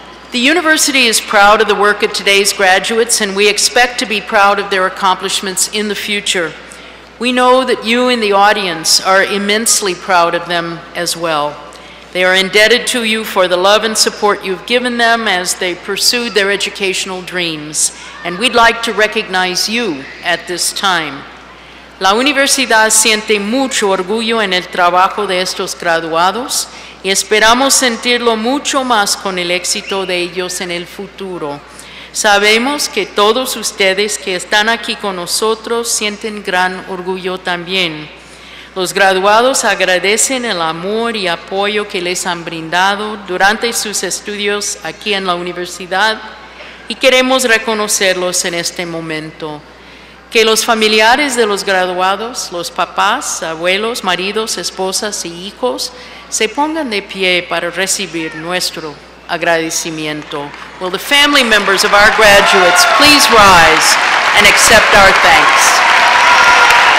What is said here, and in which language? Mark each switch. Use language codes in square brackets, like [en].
[en] The university is proud of the work of today's graduates, and we expect to be proud of their accomplishments in the future. We know that you in the audience are immensely proud of them as well. They are indebted to you for the love and support you've given them as they pursued their educational dreams. And we'd like to recognize you at this time. [es] La Universidad siente mucho orgullo en el trabajo de estos graduados y esperamos sentirlo mucho más con el éxito de ellos en el futuro. Sabemos que todos ustedes que están aquí con nosotros sienten gran orgullo también. Los graduados agradecen el amor y apoyo que les han brindado durante sus estudios aquí en la universidad y queremos reconocerlos en este momento. Que los familiares de los graduados, los papás, abuelos, maridos, esposas y hijos, se pongan de pie para recibir nuestro agradecimiento. [en] Will the family members of our graduates please rise and accept our thanks?